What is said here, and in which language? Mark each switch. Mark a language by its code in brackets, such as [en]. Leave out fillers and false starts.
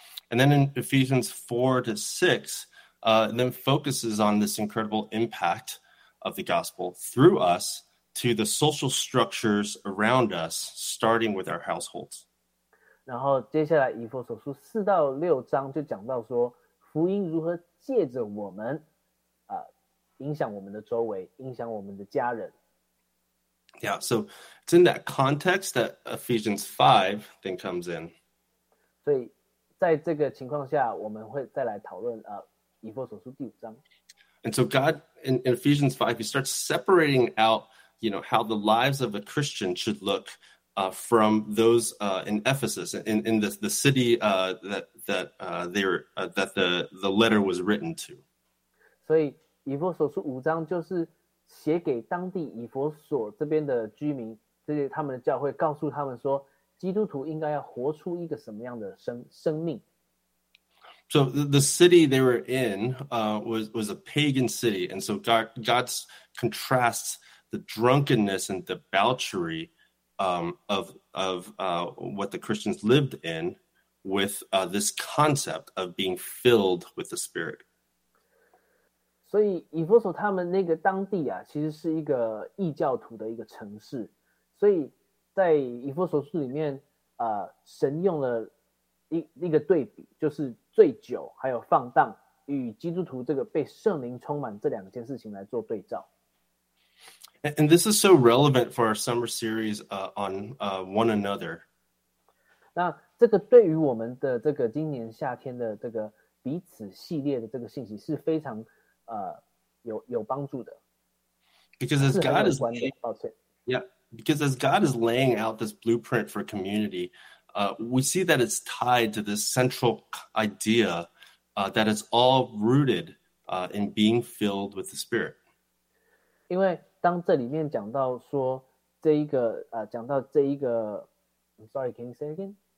[en] And then in Ephesians 4-6, then focuses on this incredible impact of the gospel through us to the social structures around us, starting with our households. [zh] 然后接下来以弗所书四到六章就讲到说福音如何借着我们影响我们的周围，影响我们的家人。 [en] Yeah, so it's in that context that Ephesians 5 then comes in. [zh] 所以在这个情况下我们会再来讨论以弗所书第五章。 [en] And so God, in Ephesians 5, he starts separating outyou know, how the lives of a Christian should look from those in Ephesus, in the city that the letter was written to. [zh] 所以以弗所书五章就是写给当地以弗所这边的居民，这些他们的教会告诉他们说，基督徒应该要活出一个什么样的生命。 [en] So the city they were in was a pagan city, and so God's contrasts the drunkenness and debauchery what the Christians lived in with this concept of being filled with the Spirit. [zh] 所以以弗所他们那个当地啊其实是一个异教徒的一个城市，所以在以弗所书里面神用了一个对比，就是醉酒还有放荡与基督徒这个被圣灵充满这两件事情来做对照。 [en] And this is so relevant for our summer series on one another. [zh] 那这个对于我们的这个今年夏天的这个彼此系列的这个信息是非常有帮助的。 [en] Because as God is able, [zh] 抱歉。 [en] Yeah, Because as God is laying out this blueprint for community, we see that it's tied to this central idea that it's all rooted in being filled with the Spirit. [zh] 因为当这里面讲到说这一个讲到这一个 [en] I'm sorry, can you say again?